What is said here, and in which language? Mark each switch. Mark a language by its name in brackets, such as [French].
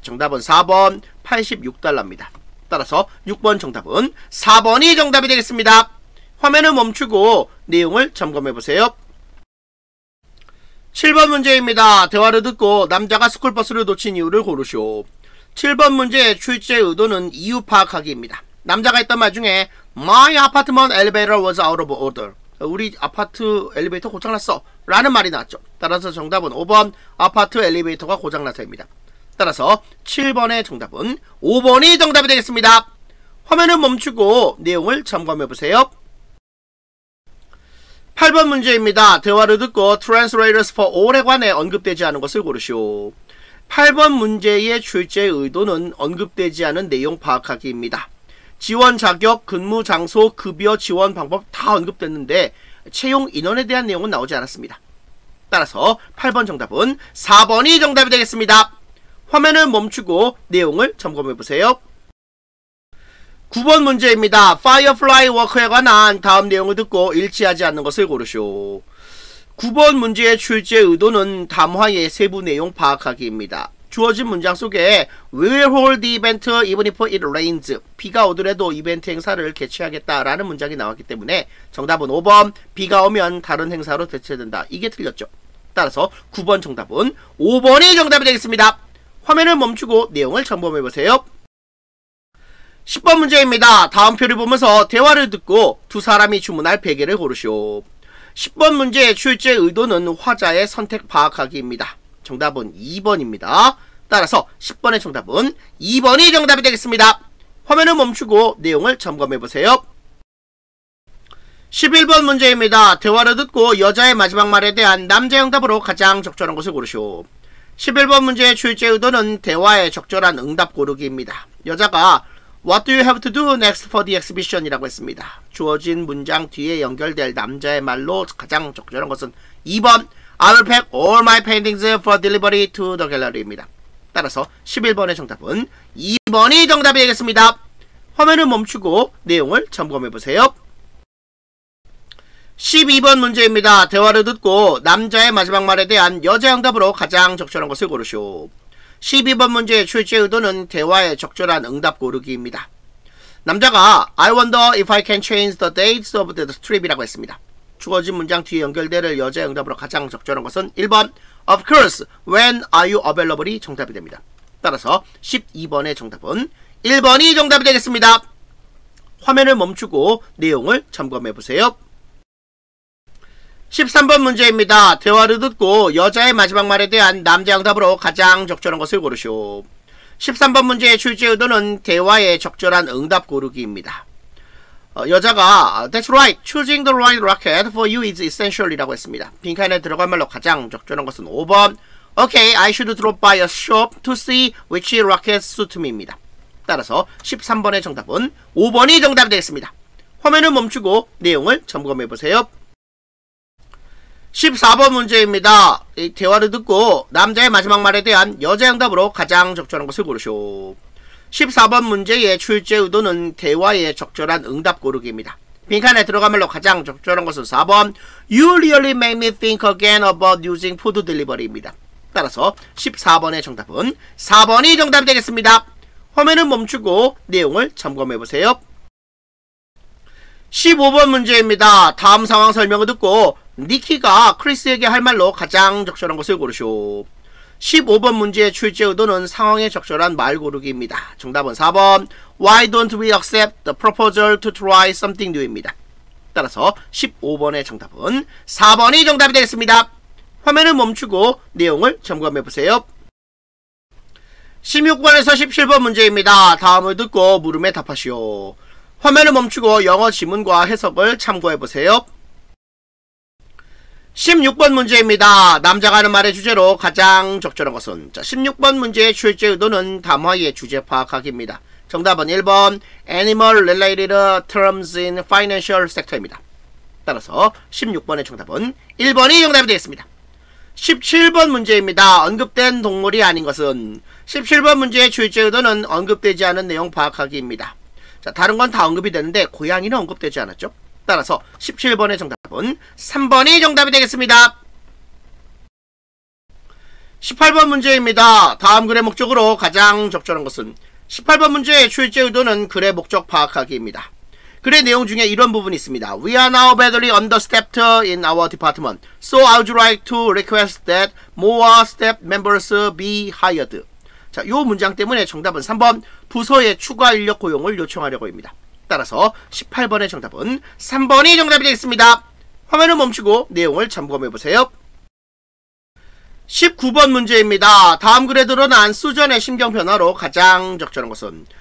[Korean] 정답은 4번 86달러입니다. 따라서 6번 정답은 4번이 정답이 되겠습니다. 화면을 멈추고 내용을 점검해보세요. 7번 문제입니다. 대화를 듣고 남자가 스쿨버스를 놓친 이유를 고르시오. 7번 문제의 출제 의도는 이유 파악하기입니다. [English] 남자가 했던 말 중에 My apartment elevator was out of order. [Korean] 우리 아파트 엘리베이터 고장났어 라는 말이 나왔죠. 따라서 정답은 5번 아파트 엘리베이터가 고장났어입니다. 따라서 7번의 정답은 5번이 정답이 되겠습니다. 화면을 멈추고 내용을 점검해보세요. 8번 문제입니다. 대화를 듣고 Translators for All에 관해 언급되지 않은 것을 고르시오. 8번 문제의 출제 의도는 언급되지 않은 내용 파악하기입니다. 지원 자격, 근무 장소, 급여, 지원 방법 다 언급됐는데 채용 인원에 대한 내용은 나오지 않았습니다. 따라서 8번 정답은 4번이 정답이 되겠습니다. 화면을 멈추고 내용을 점검해보세요. 9번 문제입니다. Firefly Worker에 관한 다음 내용을 듣고 일치하지 않는 것을 고르시오. 9번 문제의 출제 의도는 담화의 세부 내용 파악하기입니다. [English] 주어진 문장 속에 We will hold the event even if it rains. [Korean] 비가 오더라도 이벤트 행사를 개최하겠다라는 문장이 나왔기 때문에 정답은 5번 비가 오면 다른 행사로 대체된다. 이게 틀렸죠. 따라서 9번 정답은 5번이 정답이 되겠습니다. 화면을 멈추고 내용을 점검해보세요. 10번 문제입니다. 다음 표를 보면서 대화를 듣고 두 사람이 주문할 베개를 고르시오. 10번 문제의 출제 의도는 화자의 선택 파악하기입니다. 정답은 2번입니다. 따라서 10번의 정답은 2번이 정답이 되겠습니다. 화면을 멈추고 내용을 점검해보세요. 11번 문제입니다. 대화를 듣고 여자의 마지막 말에 대한 남자의 응답으로 가장 적절한 것을 고르시오. 11번 문제의 출제 의도는 대화에 적절한 응답 고르기입니다. [English] 여자가 What do you have to do next for the exhibition? [Korean] 이라고 했습니다. 주어진 문장 뒤에 연결될 남자의 말로 가장 적절한 것은 2번 [English] I'll pack all my paintings for delivery to the gallery [Korean] 입니다. 따라서 11번의 정답은 2번이 정답이 되겠습니다. 화면을 멈추고 내용을 점검해보세요. 12번 문제입니다. 대화를 듣고 남자의 마지막 말에 대한 여자의 응답으로 가장 적절한 것을 고르시오. 12번 문제의 출제 의도는 대화에 적절한 응답 고르기입니다. 남자가 [English] I wonder if I can change the dates of the trip [Korean] 이라고 했습니다. 주어진 문장 뒤에 연결될 여자의 응답으로 가장 적절한 것은 1번 [English] Of course, when are you available [Korean] 이 정답이 됩니다. 따라서 12번의 정답은 1번이 정답이 되겠습니다. 화면을 멈추고 내용을 점검해보세요. 13번 문제입니다. 대화를 듣고 여자의 마지막 말에 대한 남자의 응답으로 가장 적절한 것을 고르시오. 13번 문제의 출제 의도는 대화에 적절한 응답 고르기입니다. 여자가 [English] That's right, choosing the right rocket for you is essential [Korean] 이라고 했습니다. 빈칸에 들어갈 말로 가장 적절한 것은 5번 [English] Okay, I should drop by a shop to see which rocket suit me [Korean] 입니다. 따라서 13번의 정답은 5번이 정답이 되겠습니다. 화면을 멈추고 내용을 점검해보세요. 14번 문제입니다. 이 대화를 듣고 남자의 마지막 말에 대한 여자의 응답으로 가장 적절한 것을 고르시오. 14번 문제의 출제 의도는 대화에 적절한 응답 고르기입니다. 빈칸에 들어간 말로 가장 적절한 것은 4번 [English] You really make me think again about using food delivery [Korean] 입니다. 따라서 14번의 정답은 4번이 정답이 되겠습니다. 화면을 멈추고 내용을 점검해보세요. 15번 문제입니다. 다음 상황 설명을 듣고 니키가 크리스에게 할 말로 가장 적절한 것을 고르시오. 15번 문제의 출제 의도는 상황에 적절한 말 고르기입니다. 정답은 4번 [English] Why don't we accept the proposal to try something new [Korean] 입니다. 따라서 15번의 정답은 4번이 정답이 되겠습니다. 화면을 멈추고 내용을 점검해보세요. 16번에서 17번 문제입니다. 다음을 듣고 물음에 답하시오. 화면을 멈추고 영어 지문과 해석을 참고해보세요. 16번 문제입니다. 남자가 하는 말의 주제로 가장 적절한 것은? 자, 16번 문제의 출제 의도는 담화의 주제 파악하기입니다. 정답은 1번 [English] Animal Related Terms in Financial Sector [Korean] 입니다. 따라서 16번의 정답은 1번이 정답이 되겠습니다. 17번 문제입니다. 언급된 동물이 아닌 것은? 17번 문제의 출제 의도는 언급되지 않은 내용 파악하기입니다. 자, 다른 건 다 언급이 되는데 고양이는 언급되지 않았죠? 따라서 17번의 정답은 3번이 정답이 되겠습니다. 18번 문제입니다. 다음 글의 목적으로 가장 적절한 것은? 18번 문제의 출제 의도는 글의 목적 파악하기입니다. 글의 내용 중에 이런 부분이 있습니다. [English] We are now badly understaffed in our department, so I would like to request that more staff members be hired. [Korean] 자, 이 문장 때문에 정답은 3번 부서의 추가 인력 고용을 요청하려고 합니다. 따라서 18번의 정답은 3번이 정답이 되겠습니다. 화면을 멈추고 내용을 점검해보세요. 19번 문제입니다. 다음 글에 드러난 수전의 심경 변화로 가장 적절한 것은?